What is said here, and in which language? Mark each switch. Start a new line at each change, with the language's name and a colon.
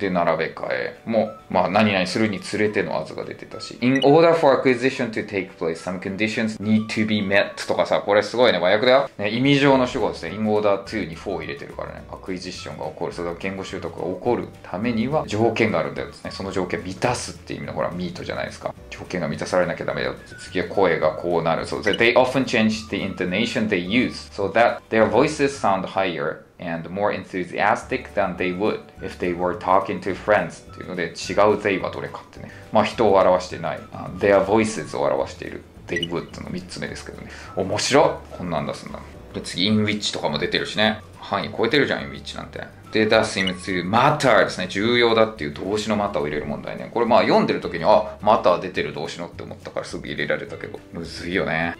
Japanese: で、並べ替えも、まあ、何々するにつれてのアズが出てたし、
English: in order for acquisition to take place some conditions need to be met
Japanese: とかさ、これすごいね。和訳だよ、ね、意味上の主語ですね。 in order to に for を入れてるからね。acquisition が起こる、それから言語習得が起こるためには条件があるんだよですね。その条件満たすっていう意味のほら meet じゃないですか。条件が満たされなきゃダメだよ。次は声がこうなる。
English: so they often change the intonation they use so that their voices sound higherand more enthusiastic than they would if they were talking to friends
Japanese: っていうので、違う they はどれかってね。まあ人を表してない、their voices を表している they would っていうの3つ目ですけどね。面白っ、こんなんだすんだ。で、次 in which とかも出てるしね。範囲超えてるじゃん、 in which なんて。で、that seems to matter ですね。重要だっていう動詞の matter を入れる問題ね。これまあ読んでる時に、あ、matter 出てる動詞のって思ったからすぐ入れられたけど、むずいよね。